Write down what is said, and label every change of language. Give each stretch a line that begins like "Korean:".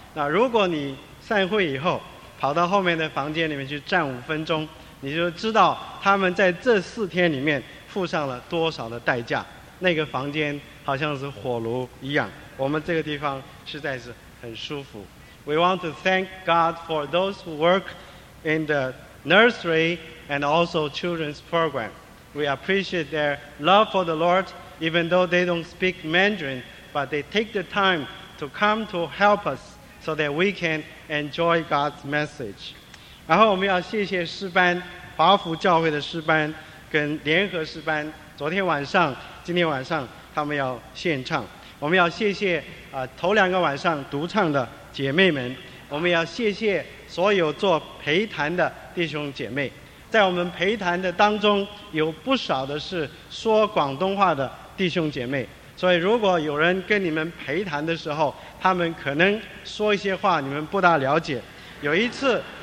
Chinese: 那如果你散会以后跑到后面的房间里面去站5分钟，你就知道他们在这4天里面付上了多少的代价，那个房间好像是火炉一样，我们这个地方实在是很舒服。
English: We want to thank God for those who work in the nursery and also children's program. We appreciate their love for the Lord, even though they don't speak Mandarin, but they take the time to come to help us so that we can enjoy God's message.
Chinese: 然后我们要谢谢诗班，华福教会的诗班跟联合诗班，昨天晚上今天晚上他们要献唱。我们要谢谢头两个晚上独唱的姐妹们，我们要谢谢所有做陪谈的弟兄姐妹，在我们陪谈的当中有不少的是说广东话的弟兄姐妹，所以如果有人跟你们陪谈的时候他们可能说一些话你们不大了解，有一次